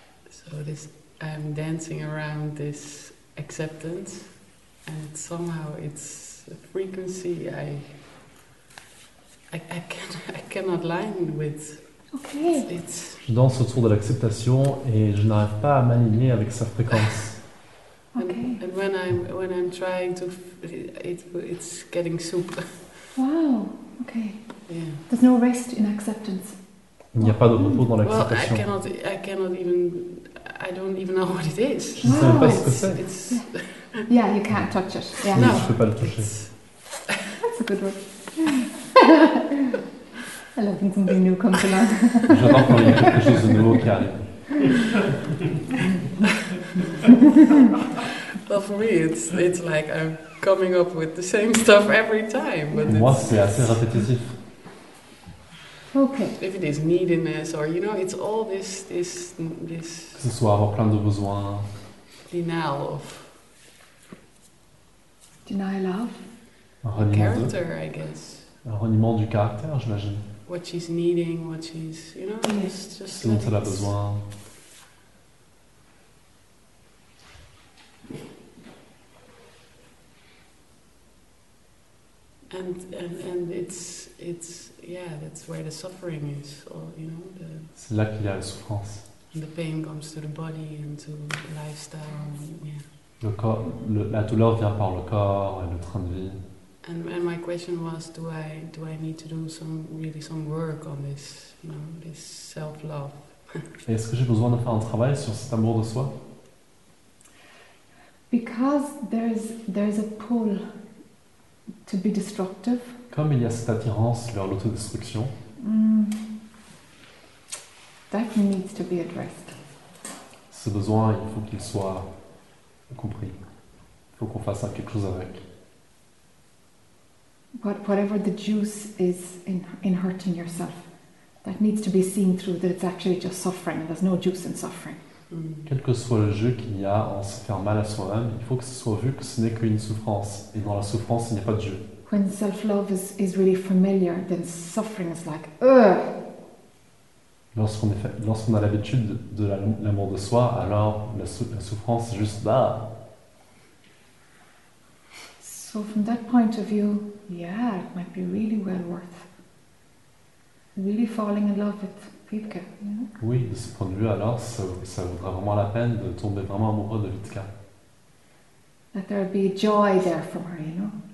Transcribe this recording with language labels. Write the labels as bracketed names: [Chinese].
[English] So this, I'm dancing around this acceptance, and somehow it's a frequency I cannot align with. Okay. [French] Je danse autour de l'acceptation et je n'arrive pas à m'aligner avec sa fréquence. Okay. [English] And when I'm trying to, it's getting soup. Wow. Okay. Yeah. There's no rest in acceptance. [French] Il n'y a pas de repos dans l'acceptation. [English] Well, I cannot even. I don't even know what it is. [French] Je ne sais même pas ce que c'est. [English] Yeah, you can't touch it. Yeah. [French] Non, je ne peux pas le toucher. [English] That's a good word. I love when something new comes along. [French] J'adore quand il y a quelque chose de nouveau qui arrive. [English] Well, for me, it's like I'm coming up with the same stuff every time. But [French] moi, c'est assez répétitif. Okay. [English] If it is neediness, or you know, it's all this. [French] Que ce soit avoir plein de besoins. [English] Denial of. Denial of. [French] Un reniement de. [English] Character, I guess. [French] Un reniement du caractère, j'imagine. [English] What she's needing, what she's, you know, it's just like... [French] Ce dont elle a besoin. [English] And it's, yeah, that's where the suffering is, or, you know, the... [French] C'est là qu'il y a la souffrance. [English] The pain comes to the body and to the lifestyle, yeah. [French] Le corps, la douleur vient par le corps et le train de vie. [English] And my question was, do I need to do some work on this, you know, this self-love? [French] Est-ce que j'ai besoin de faire un travail sur cet amour de soi? [English] Because there's a pull to be destructive. [French] Comme il y a cette attirance vers l'autodestruction. [English] That needs to be addressed. [French] Ce besoin, il faut qu'il soit compris. Il faut qu'on fasse quelque chose avec. [English] Whatever the juice is in hurting yourself, that needs to be seen through, that it's actually just suffering. There's no juice in suffering. [French] Quel que soit le jeu qu'il y a en se faire mal à soi-même, il faut que ce soit vu que ce n'est qu'une souffrance. Et dans la souffrance, il n'y a pas de jeu. [English] When self-love is really familiar, then suffering is like, ugh! [French] Lorsqu'on a l'habitude de l'amour de soi, alors la souffrance est juste bah. [English] So from that point of view, yeah, it might be really well worth really falling in love with Peephole. [French] Oui, de ce point de vue, alors ça vaudrait vraiment la peine de tomber vraiment amoureux de Peephole. [English] That there would be a joy there for her, you know.